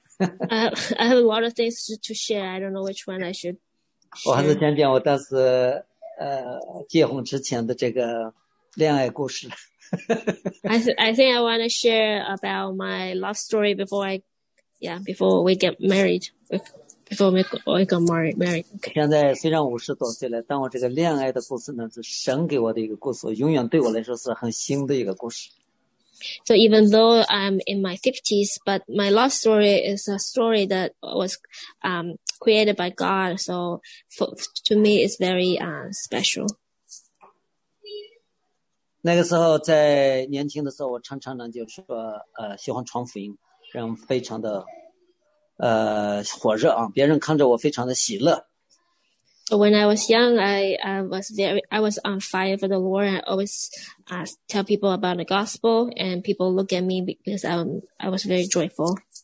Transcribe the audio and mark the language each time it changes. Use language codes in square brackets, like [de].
[en] I have a lot of things to share. I don't know which one I should. [zh] 我还是讲讲我当时结婚之前的这个恋爱故事。 [en] I think I want to share about my love story before before we get married, before we got married. [zh] 现在虽然50多岁了，但我这个恋爱的故事呢，是神给我的一个故事，永远对我来说是很新的一个故事。 [en] So even though I'm in my 50s, but my love story is a story that was created by God. So to me, it's very special. [zh] 那个时候在年轻的时候，我常常呢就说喜欢传福音。人非常的火热啊，别人看着我非常的喜乐。 [en] When I was young, I was on fire for the Lord. I always tell people about the gospel, and people look at me because I was very joyful.